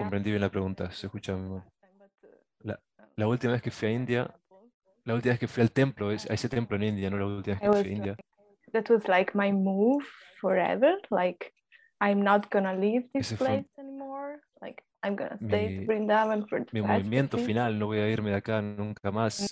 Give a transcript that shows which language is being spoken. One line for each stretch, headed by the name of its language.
Spanish: No comprendí bien la pregunta, se escucha muy mal. La última vez que fui a India, la última vez que fui al templo, a ese templo en India, no la última vez que fui a India.
English: That was like my move forever. Like, I'm not gonna leave this place anymore. Like, I'm gonna stay in Vrindavan for the rest.
Spanish: Mi movimiento final, no voy a irme de acá nunca más.